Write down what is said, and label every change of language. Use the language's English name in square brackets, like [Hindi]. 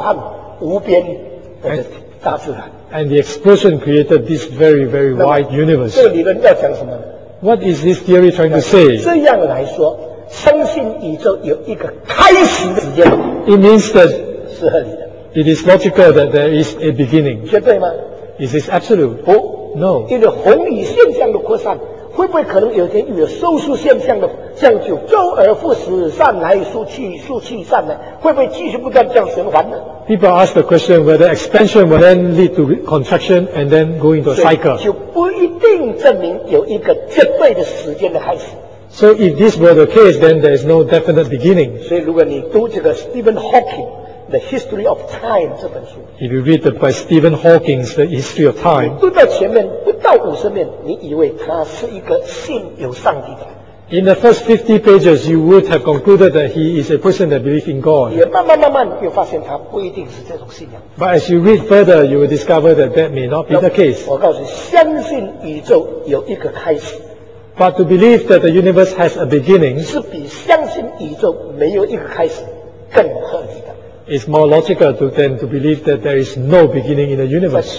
[Chinese] 慢慢扩散就变成这么大、这么浩瀚、无边的大自然。And [English] the explosion created this very, very wide universe. [Chinese] 这个理论要讲什么？What [English] is this theory trying to say? [Chinese] 这样来说，相信宇宙有一个开始的时间。It [English] means that [Chinese] 是合理的。It [English] is logical that there is a beginning. [Chinese] 绝对吗 [English] ？Is this absolute? [Chinese] 不 [English] ，No. [Chinese] 因为红移现象的扩散。会不会可能有一天有收束现象的，这样就周而复始，善来收去，收去善来，会不会继续不断这样循环呢？ [English] People ask the question whether expansion will then lead to contraction and then go into a cycle. [Chinese] 就不一定证明有一个绝对的时间的开始。 [English] So if this were the case, then there is no definite beginning. [Chinese] 所以如果你读这个 Stephen Hawking The History of Time 这本书， [English] If you read by Stephen Hawking's The History of Time， [Chinese] 读到前面。到50面，你以为他是一个信有上帝的。 [English] In the first 50 pages, you would have concluded that he is a person that believes in God. [Chinese] 也慢慢又发现他不一定是这种信仰。 [English] But as you read further, you will discover that that may not be the case. [Chinese] 我告诉你，相信宇宙有一个开始。 [English] But to believe that the universe has a beginning [Chinese] 是比相信宇宙没有一个开始更合理的。 [English] It's more logical than to believe that there is no beginning in the universe.